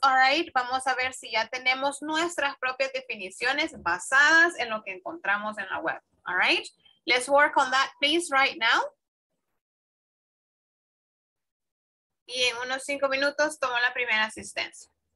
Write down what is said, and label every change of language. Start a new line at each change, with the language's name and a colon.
Spanish: All right, vamos a ver si ya tenemos nuestras propias definiciones basadas en lo que encontramos en la web.
English: All right, let's work on that, please, right now.
Spanish: Y en unos 5 minutos tomo la primera asistencia.